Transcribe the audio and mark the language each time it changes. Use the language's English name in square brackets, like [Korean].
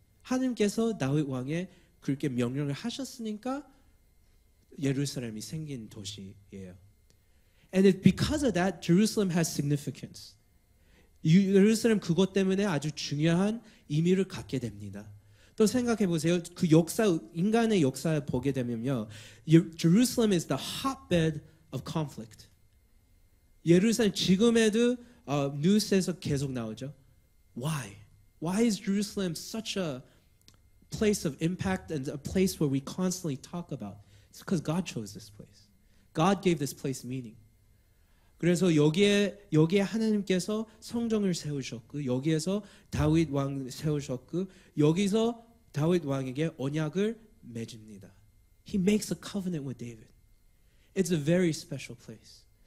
[Korean] 하나님께서 다윗 왕에 그렇게 명령을 하셨으니까 예루살렘이 생긴 도시예요. [English] And it, because of that, Jerusalem has significance. [Korean] 예루살렘 그것 때문에 아주 중요한 의미를 갖게 됩니다. 또 생각해 보세요. 그 역사, 인간의 역사를 보게 되면요. [English] Jerusalem is the hotbed of conflict. [Korean] 예루살렘 지금에도 뉴스에서 계속 나오죠. [English] Why? Why is Jerusalem such a place of impact and a place where we constantly talk about? It's because God chose this place. God gave this place meaning. [Korean] 그래서 여기에 하나님께서 성전을 세우셨고 여기에서 다윗 왕 세우셨고 여기서 다윗 왕에게 언약을 맺습니다. [English] He makes a covenant with David. It's a very special place.